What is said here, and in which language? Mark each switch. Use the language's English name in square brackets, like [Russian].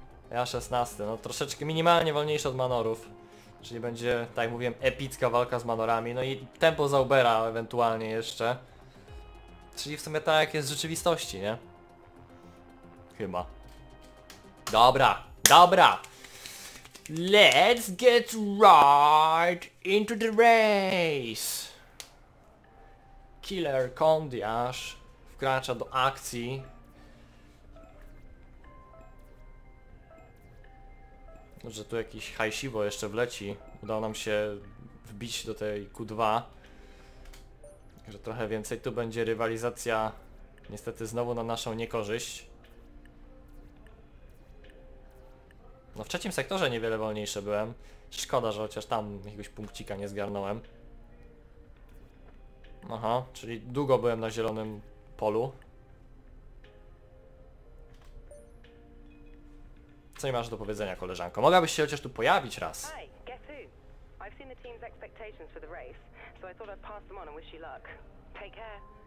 [Polish] Ja 16, no troszeczkę minimalnie wolniejszy od Manorów. Czyli będzie, tak jak mówiłem, epicka walka z Manorami. No i tempo Zaubera ewentualnie jeszcze. Czyli w sumie tak jak jest w rzeczywistości, nie? Chyba. Dobra. [English] Let's get right into the race. [Polish] Killer Kondiasz wkracza do akcji. Może tu jakiś hajsiwo jeszcze wleci. Udało nam się wbić do tej Q2. Także trochę więcej tu będzie rywalizacja. Niestety znowu na naszą niekorzyść. No w trzecim sektorze niewiele wolniejsze byłem. Szkoda, że chociaż tam jakiegoś punkcika nie zgarnąłem. Aha, czyli długo byłem na zielonym polu. Co mi masz do powiedzenia, koleżanko? Mogłabyś się chociaż tu pojawić raz. [English] Hey, guess who? I've seen the team's expectations for the race, so I thought I'd pass them on and wish you luck. Take care.